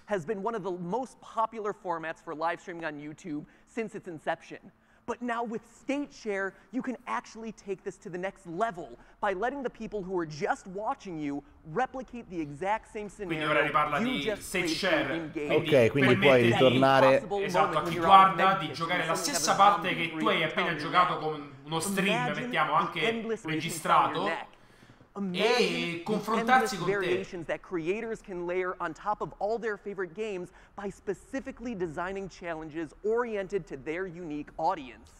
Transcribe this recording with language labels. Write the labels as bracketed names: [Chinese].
[English] has been one of the most popular formats for live streaming on YouTube since its inception. But now with State Share, you can actually take this to the next level by letting the people who are just watching you replicate the exact same scenario. [Italian] Quindi ora riparla di State Share. Ok, quindi puoi ritornare a chi guarda di giocare la stessa parte che tu hai appena giocato con uno stream, mettiamo anche registrato. E confrontarsi con [English] variations that creators can layer on top of all their favorite games by specifically designing challenges oriented to their unique audience.